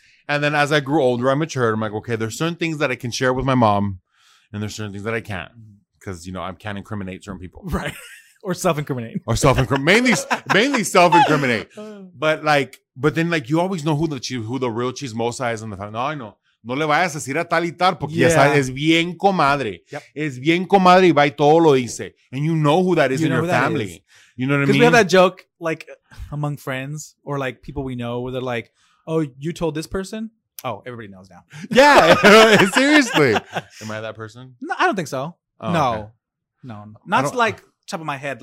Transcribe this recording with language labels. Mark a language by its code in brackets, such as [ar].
[en] And then as I grew older, I matured. I'm like, okay, there's certain things that I can share with my mom and there's certain things that I can't. Because, you know, I can't incriminate certain people. Right. Or self-incriminate. mainly self-incriminate. But like, then you always know who the real chismosa is in the family. No, I know. [es] No le vayas a decir a tal y tal porque ya sabes, es bien comadre. [en] Yep. [es] Es bien comadre y va y todo lo dice. [en] And you know who that is in your family. You know what I mean? Because we have that joke like among friends or like people we know where they're like, oh, you told this person? Oh, everybody knows now. Yeah. Seriously. Am I that person? No, I don't think so. Oh, no. Okay. No. Not like top of my head.